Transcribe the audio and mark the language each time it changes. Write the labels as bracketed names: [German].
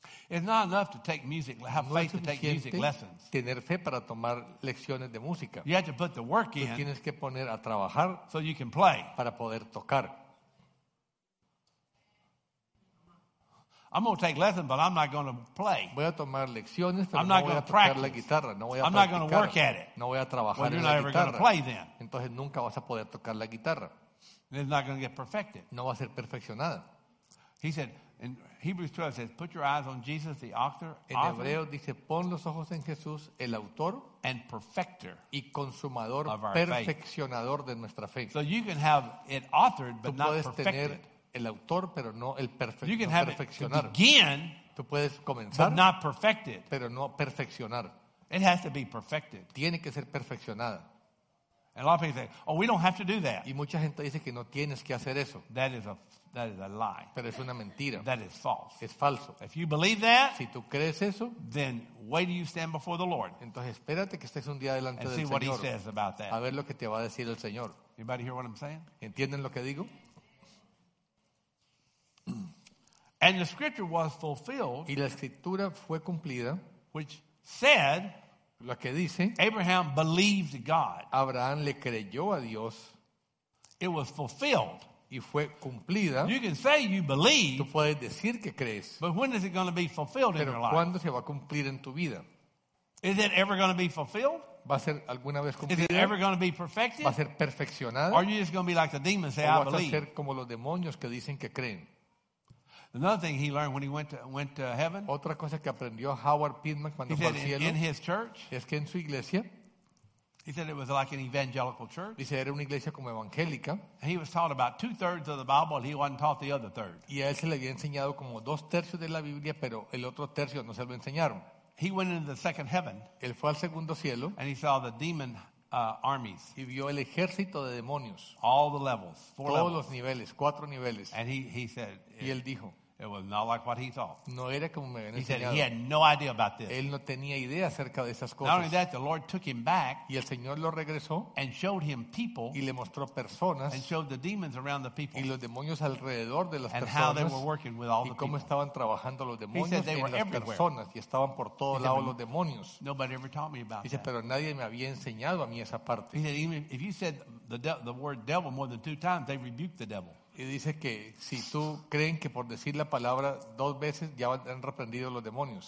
[English] It's not enough to take music, have faith to take music lessons. [Spanish] Tener fe para tomar lecciones de música. [English] You have to put the work in. [Spanish] Tienes que poner a trabajar [English] so you can play. [Spanish] Para poder tocar. [English] I'm going to take lessons, but I'm not going to play. [Spanish] Voy a tomar lecciones, pero no voy a tocar la guitarra. No voy a practicar. [English] I'm not going to work at it. [Spanish] No voy a trabajar en la [English] guitarra. You're not ever going to play then. [Spanish] Entonces nunca vas a poder tocar la guitarra. [English] And it's not going to get perfected. [Spanish] No va a ser perfeccionada. [English] He said, in Hebrews 12, says, put your eyes on Jesus, the author. [Spanish] En hebreo dice, pon los ojos en Jesús, el autor. [English] And perfecter. [Spanish] Y consumador, perfeccionador de nuestra fe. [English] So you can have it authored, but not perfected. [Spanish] El autor, pero no el perfecto. [English] You can have [Spanish] perfeccionar. [English] It to begin, [Spanish] tú puedes comenzar, [English] but not perfect it. [Spanish] Pero no perfeccionar. [English] It has to be perfected. [Spanish] Tiene que ser perfeccionada. [English] And a lot of people say, oh, we don't have to do that. [Spanish] Y mucha gente dice que no tienes que hacer eso. [English] That is a lie. [Spanish] Pero es una mentira. [English] That is false. [Spanish] Es falso. [English] If you believe that, [Spanish] si tú crees eso, [English] then wait till you stand before the Lord. [Spanish] Entonces espérate que estés un día delante del Señor. [English] And see what he says about that. [Spanish] A ver lo que te va a decir el Señor. [English] Anybody hear what I'm saying? [Spanish] ¿Entienden lo que digo? [English] And the scripture was fulfilled, [Spanish] y la escritura fue cumplida, [English] which said, [Spanish] lo que dice, [English] Abraham believed God. [Spanish] Abraham le creyó a Dios. [English] It was fulfilled. [Spanish] Y fue cumplida. [English] You can say you believe, [Spanish] tú puedes decir que crees, [English] but when is it going to be fulfilled [Spanish] pero [English] in your life? [Spanish] ¿Cuándo se va a cumplir en tu vida? [English] Is it ever going to be fulfilled? [Spanish] ¿Va a ser alguna vez cumplida? [English] Is it ever going to be perfected? [Spanish] ¿Va a ser perfeccionada? [English] Or are you just going to be like the demons say, [Spanish] ¿o [English] I believe? [Spanish] ¿Vas a ser como los demonios que dicen que creen? [English] Another thing he learned when he went to heaven. [Spanish] Otra cosa que aprendió Howard Pittman cuando fue al cielo. [English] In his church. [Spanish] Es que en su iglesia. [English] He said it was like an evangelical church. [Spanish] Dice era una iglesia como evangélica. [English] He was taught about 2/3 of the Bible, and he wasn't taught the other third. [Spanish] Y a él se le había enseñado como 2/3 de la Biblia, pero el otro tercio no se lo enseñaron. [English] He went into the second heaven. [Spanish] Él fue al segundo cielo. [English] And he saw the demon armies. [Spanish] Y vio el ejército de demonios. [English] All the levels. Four [Spanish] todos [English] levels. [Spanish] Los niveles, cuatro niveles. [English] And he said. [Spanish] Y él dijo. [English] It was not like what he thought. [Spanish] No era como me [English] he [Spanish] enseñado. [English] Said he had no idea about this. [Spanish] Él no tenía idea acerca de esas cosas. [English] Not only that, the Lord took him back. [Spanish] Y el Señor lo regresó. [English] And showed him people. [Spanish] Y le mostró personas. [English] And showed the demons around the people. [Spanish] Y los demonios alrededor de las [English] and [Spanish] personas. [English] And how they were working with all the people. [Spanish] Y cómo estaban trabajando los demonios [English] he said they [Spanish] en [English] were [Spanish] las [English] everywhere. [Spanish] Personas. Y estaban por todos lados los demonios. [English] Nobody ever taught me about [Spanish] dice, [English] that. [Spanish] Pero nadie me había enseñado a mí esa parte. [English] He said even if you said the word devil more than 2 times, they rebuked the devil. [Spanish] Y dice que si tú creen que por decir la palabra 2 veces ya han reprendido los demonios.